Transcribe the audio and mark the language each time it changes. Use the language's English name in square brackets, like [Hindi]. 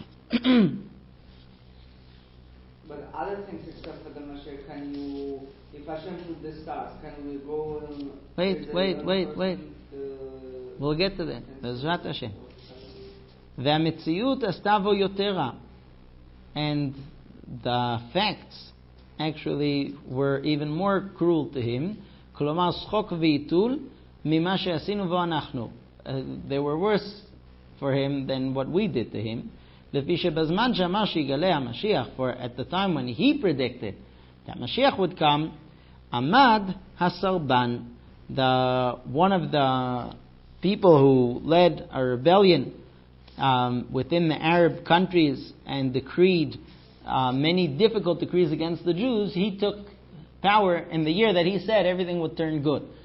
[English] But other things except for the Mashiach, can you, if Hashem put the stars, can we go and... Wait. We'll get to that. Bezrat Hashem. [Hebrew] והמציאות עשתה בו יותרה. [English] And the facts actually were even more cruel to him. [Hebrew] כלומר, שחוק ועיתול ממה שעשינו בו אנחנו. [English] They were worse for him than what we did to him. [Hebrew] לפי שבזמן שאמר שיגלה המשיח, [English] for at the time when he predicted that Mashiach would come, [Hebrew] עמד הסרבן, [English] the one of the people who led a rebellion within the Arab countries and decreed many difficult decrees against the Jews, he took power in the year that he said everything would turn good.